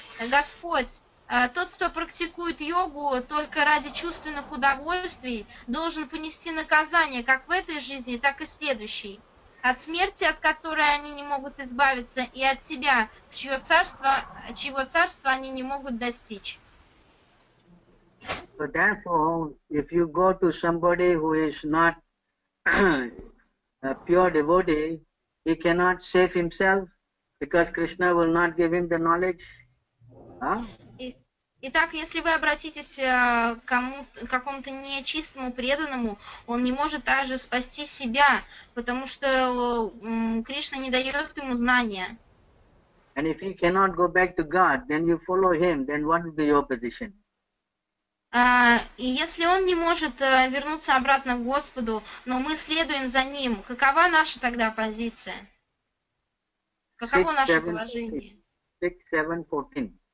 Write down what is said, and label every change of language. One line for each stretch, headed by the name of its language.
Russian: Господь, тот, кто практикует йогу только ради чувственных удовольствий, должен понести наказание как в этой жизни, так и в следующей. От смерти, от которой они не могут избавиться, и от тебя, в чьего царства они не могут достичь.
English: So therefore, if you go to somebody who is not a pure devotee, he cannot save himself because Krishna will not give him the knowledge.
Russian: Итак, если вы обратитесь к какому-то нечистому преданному, он не может также спасти себя, потому что Кришна не дает ему знания.
English: And if he cannot go back to God, then you follow him, then what will be your position?
Russian: И если он не может вернуться обратно к Господу, но мы следуем за ним, какова наша тогда позиция? Каково наше положение? 6, 7, 14.